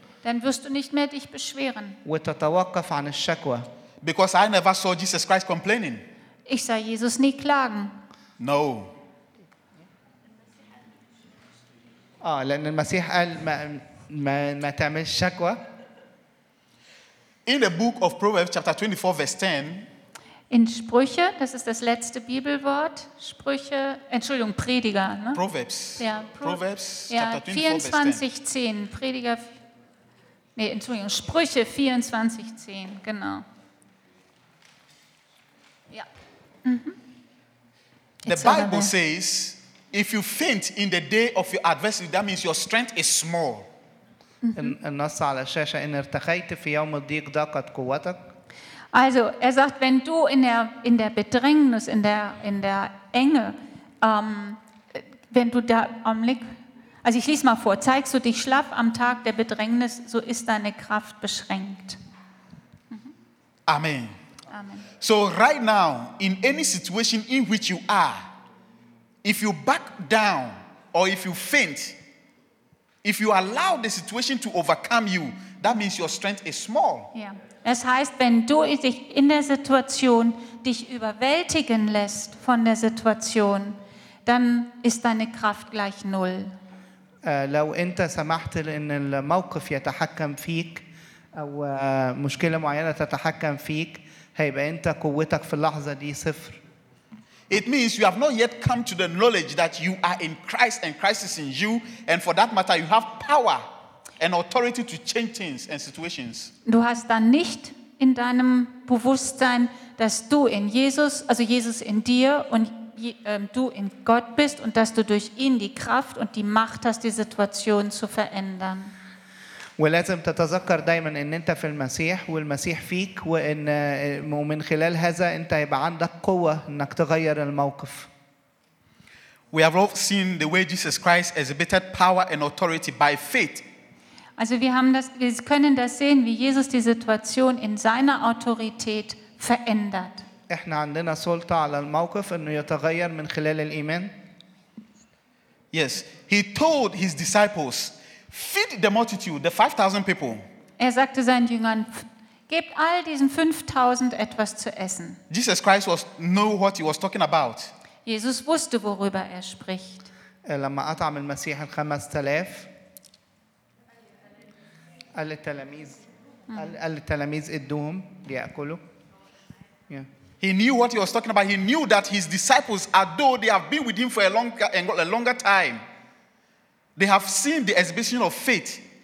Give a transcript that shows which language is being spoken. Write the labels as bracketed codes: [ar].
[de] Dann wirst du nicht mehr dich beschweren. [ar] وتتوقف عن الشكوى. [en] Because I never saw Jesus Christ complaining. [de] Ich sah Jesus nie klagen. [en] No. [ar] لأن المسيح قال ما تعملش شكوى. [en] In the book of Proverbs chapter 24 verse 10. [de] In Sprüche, das ist das letzte Bibelwort, Sprüche, Entschuldigung, Prediger, ne? [en] Proverbs. [de] Ja, [en] Proverbs, [de] ja, 24, 10. Prediger, nee, Entschuldigung, Sprüche 24, 10, genau. Ja. Mhm. [en] The Bible says, if you faint in the day of your adversity, that means your strength is small. [ar] النص على الشاشة, إن ارتخيت في يوم الضيق ضاقت قوتك. [de] Also, er sagt, wenn du in der Bedrängnis, in der Enge, wenn du da am Blick, also ich lese mal vor, zeigst du dich schlaff am Tag der Bedrängnis, so ist deine Kraft beschränkt. [en] Mhm. Amen. Amen. So right now, in any situation in which you are, if you back down or if you faint, if you allow the situation to overcome you, that means your strength is small. Yeah. [de] Das heißt, wenn du dich in der Situation dich überwältigen lässt von der Situation, dann ist deine Kraft gleich null. [ar] لو انت سمحت ان الموقف يتحكم فيك او مشكله معينه تتحكم فيك هيبقى انت قوتك في اللحظه دي صفر. [en] It means you have not yet come to the knowledge that you are in Christ and Christ is in you, and for that matter you have power and authority to change things and situations. [de] Du hast dann nicht in deinem Bewusstsein, dass du in Jesus, also Jesus in dir und du in Gott bist und dass du durch ihn die Kraft und die Macht hast, die Situation zu verändern. [ar] ولازم تتذكر دايما ان انت في المسيح والمسيح فيك وان ومن خلال هذا انت يبقى عندك قوه انك تغير الموقف. [en] We have all seen the way Jesus Christ exhibited power and authority by faith. [de] Also wir haben das, wir können das sehen, wie Jesus die Situation in seiner Autorität verändert. [ar] احنا عندنا سلطه على الموقف انه يتغير من خلال الايمان. [en] Yes, he told his disciples, feed the multitude, the 5000 people. [de] Er sagte seinen Jüngern, gebt all diesen 5000 etwas zu essen. [en] Jesus Christ was know what he was talking about. [de] Jesus wusste, worüber er spricht. [ar] لما أطعم المسيح ال 5000 قال التلاميذ قال التلاميذ ادوهم ليأكلوا. [en] He knew what he was talking about. He knew that his disciples, although they have been with him for a longer time, they have seen the exhibition of faith.